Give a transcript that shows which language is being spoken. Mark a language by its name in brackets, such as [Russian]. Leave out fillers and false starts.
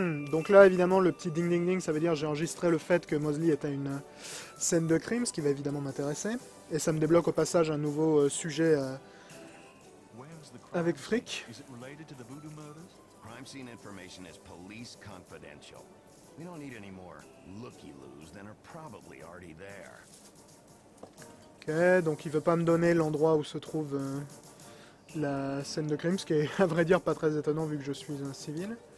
[French] Donc là, évidemment, le petit ding-ding-ding, ça veut dire j'ai enregistré le fait que Mosley est à une scène de crime, ce qui va évidemment m'intéresser. Et ça me débloque au passage un nouveau sujet avec Frick. [English] Is it related to the voodoo murders? Crime scene information is police confidential. We don't need any more looky-loos than are probably already there. [French] Okay, donc il veut pas me donner l'endroit où se trouve la scène de crime, ce qui est à vrai dire pas très étonnant vu que je suis un civil.